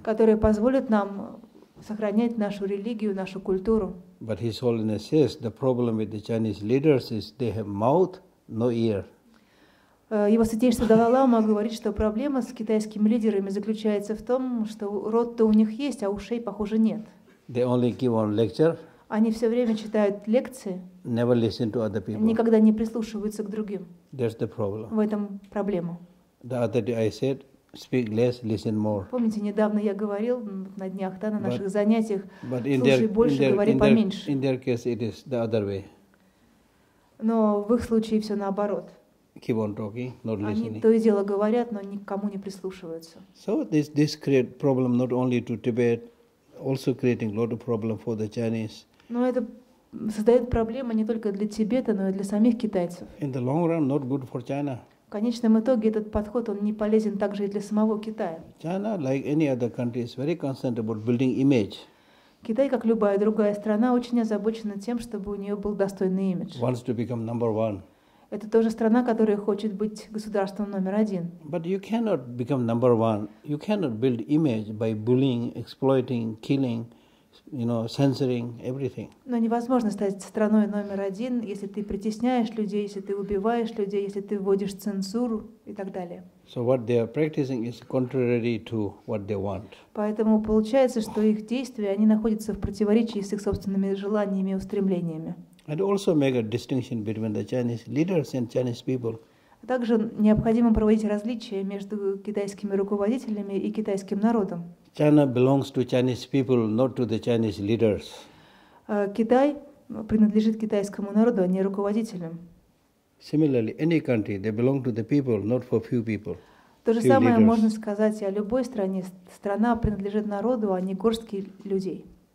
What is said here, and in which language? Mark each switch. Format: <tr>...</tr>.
<ru>которая позволит нам сохранять нашу религию, нашу культуру.</ru> <en>But His Holiness says the problem with the Chinese leaders is they have mouth, no ear.</en> <ru>Его святейшество Далай-лама говорит, что проблема с китайскими лидерами заключается в том, что рот-то у них есть, а ушей, похоже, нет.</ru> <en>They only give one lecture.</en> <ru>Они все время читают лекции.</ru> <en>Never listen to other people.</en> <ru>Никогда не прислушиваются к другим.</ru> <en>That's the problem.</en> <ru>В этом проблема.</ru> <en>The other day I said, speak less, listen more.</en> <ru>Помните, недавно я говорил на днях, да, на наших занятиях, слушай больше, говори поменьше.</ru> <en>In their case, it is the other way.</en> <ru>Но в их случае все наоборот.</ru> <en>Keep on talking, not listening.</en> <ru>Они то и дело говорят, но никому не прислушиваются.</ru> <en>So this create problem not only to Tibet. Also creating a lot of problem for the Chinese.</en> <ru>Но это создает проблемы не только для Тибета, но и для самих китайцев.</ru> <en>In the long run, not good for China.</en> <ru>В конечном итоге этот подход он не полезен также и для самого Китая.</ru> <en>China, like any other country, is very concerned about building image.</en> <ru>Китай, как любая другая страна, очень озабочена тем, чтобы у нее был достойный имидж.</ru> <en>Wants to become number one.</en> <ru>Это тоже страна, которая хочет быть государством номер один.</ru> <en>But you cannot become number one. You cannot build image by bullying, exploiting, killing, you know, censoring everything.</en> <ru>Но невозможно стать страной номер один, если ты притесняешь людей, если ты убиваешь людей, если ты вводишь цензуру и так далее.</ru> <en>So what they are practicing is contrary to what they want.</en> <ru>Поэтому получается, что их действия, они находятся в противоречии с их собственными желаниями и устремлениями.</ru> <en>And also make a distinction between the Chinese leaders and Chinese people.</en> <ru>Также необходимо проводить различия между китайскими руководителями и китайским народом.</ru> <en>China belongs to Chinese people, not to the Chinese leaders.</en> <ru>Китай принадлежит китайскому народу, а не руководителям.</ru> <en>Similarly, any country, they belong to the people, not for few people.</en> <ru>То же самое можно сказать и о любой стране. Страна принадлежит народу, а не горстке людей.</ru>